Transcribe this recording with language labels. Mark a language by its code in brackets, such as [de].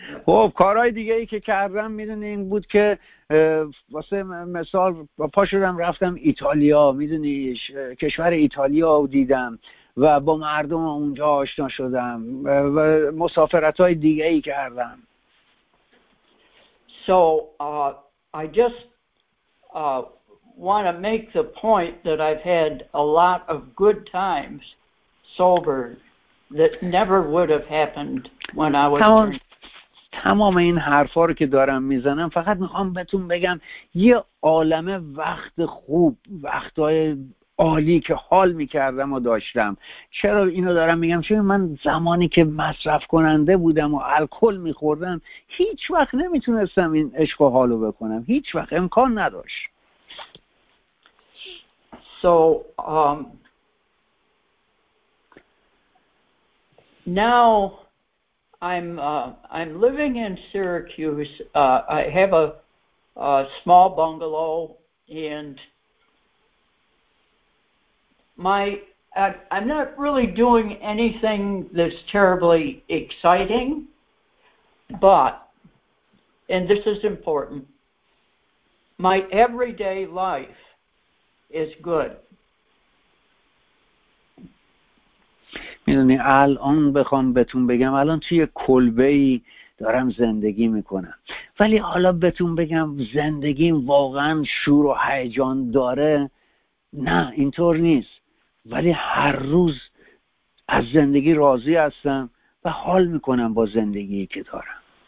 [fa] خب کارهای دیگه ای که کردم میدونی این بود که واسه مثال پا شدم رفتم ایتالیا، میدونی کشور ایتالیا رو دیدم و با مردم اونجا آشنا شدم و مسافرت‌های دیگه ای کردم. [en] So I just want to make the point that I've had a lot of good times sober that never would have happened when I was [fa] تمام این حرفا رو که دارم میزنم فقط میخوام بهتون بگم یه عالمه وقت خوب، وقتهای عالی که حال میکردم و داشتم. چرا اینو دارم میگم؟ چون من زمانی که مصرف کننده بودم و الکل میخوردم هیچ وقت نمیتونستم این عشق و حالو بکنم، هیچ وقت امکان نداشت. [en] So now I'm living in Syracuse. I have a small bungalow, and I'm not really doing anything that's terribly exciting, but, and this is important, my everyday life is good. [fa] میدونی الان بخوام بهتون بگم الان توی کلبه‌ای دارم زندگی میکنم، ولی حالا بهتون بگم زندگیم واقعا شور و هیجان داره؟ نه اینطور نیست، ولی هر روز از زندگی راضی هستم و حال میکنم با زندگی که دارم.